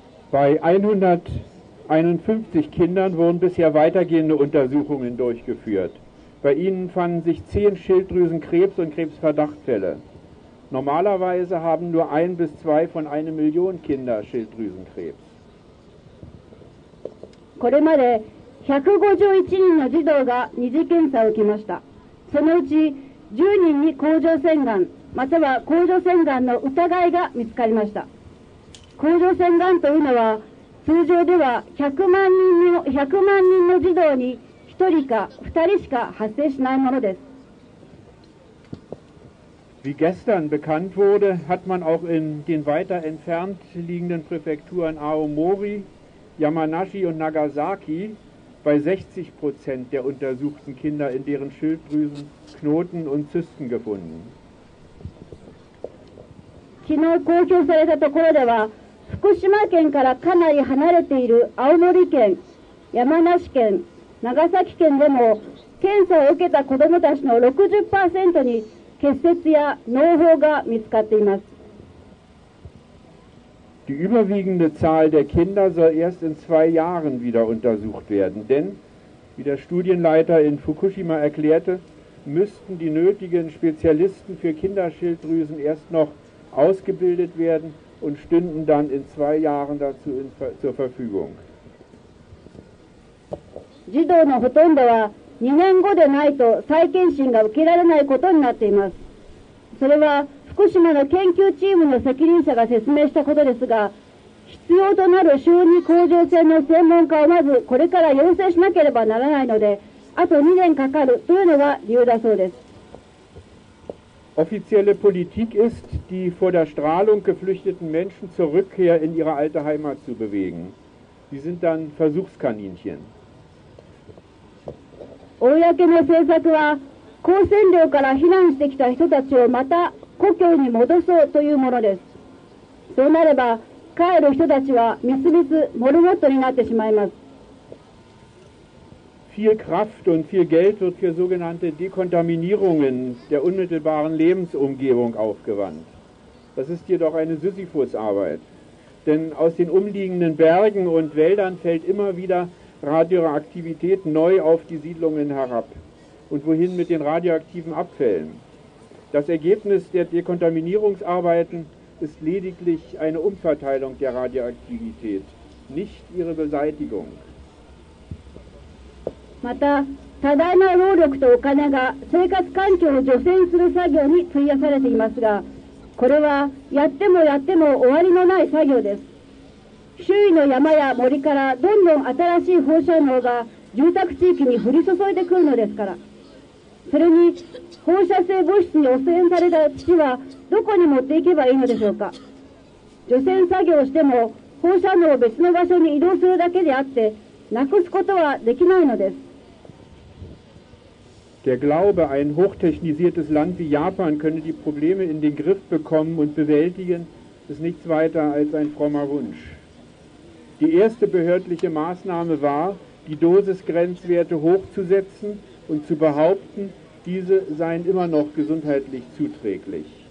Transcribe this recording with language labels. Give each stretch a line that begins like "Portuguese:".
German: Bei 151 Kindern wurden bisher weitergehende Untersuchungen durchgeführt. Bei ihnen fanden sich 10 Schilddrüsenkrebs und Krebsverdachtfälle. Normalerweise haben nur 1 bis 2 von 1 Million Kinder Schilddrüsenkrebs.
Japanese: これまで151人の児童が二次検査を受けました。そのうち10人に甲状腺がん、または甲状腺がんの疑いが見つかりました。甲状腺がんというのは、通常では100万人の児童に1人か2人しか発生しないものです。
German: Wie gestern bekannt wurde, hat man auch in den weiter entfernt liegenden Präfekturen Aomori, Yamanashi und Nagasaki bei 60% der untersuchten Kinder in deren Schilddrüsen Knoten und Zysten gefunden.
Japanese: 昨日公表されたところでは、福島県からかなり離れている青森県、山梨県、長崎県でも検査を受けた子どもたちの 60% に結節や嚢胞が見つかっています。
German: Die überwiegende Zahl der Kinder soll erst in 2 Jahren wieder untersucht werden, denn, wie der Studienleiter in Fukushima erklärte, müssten die nötigen Spezialisten für Kinderschilddrüsen erst noch ausgebildet werden und stünden dann in 2 Jahren dazu zur Verfügung.
Japanese: 児童のほとんどは2年後でないと再検診が受けられないことになっています。それは福島の研究チームの責任者が説明したことですが、必要となる小児甲状腺の専門家をまずこれから養成しなければならないので、あと2年かかるというのが理由だそうです。
German: Offizielle Politik ist, die vor der Strahlung geflüchteten Menschen zur Rückkehr in ihre alte Heimat zu bewegen. Sie sind dann Versuchskaninchen.
Japanese: 公の政策は、光線量から避難してきた人たちをまた故郷に戻そうというものです。そうなれば、帰る人たちはみすみすモルモットになってしまいます。
German: Viel Kraft und viel Geld wird für sogenannte Dekontaminierungen der unmittelbaren Lebensumgebung aufgewandt. Das ist jedoch eine Sisyphusarbeit. Denn aus den umliegenden Bergen und Wäldern fällt immer wieder Radioaktivität neu auf die Siedlungen herab. Und wohin mit den radioaktiven Abfällen? Das Ergebnis der Dekontaminierungsarbeiten ist lediglich eine Umverteilung der Radioaktivität, nicht ihre Beseitigung.
Japanese: また、多大な労力とお金が生活環境を除染する作業に費やされていますが、これはやってもやっても終わりのない作業です。周囲の山や森からどんどん新しい放射能が住宅地域に降り注いでくるのですから。それに放射性物質に汚染された土はどこに持っていけばいいのでしょうか。除染作業をしても放射能を別の場所に移動するだけであってなくすことはできないのです。
German: Der Glaube, ein hochtechnisiertes Land wie Japan könne die Probleme in den Griff bekommen und bewältigen, ist nichts weiter als ein frommer Wunsch. Die erste behördliche Maßnahme war, die Dosisgrenzwerte hochzusetzen und zu behaupten, diese seien immer noch gesundheitlich zuträglich.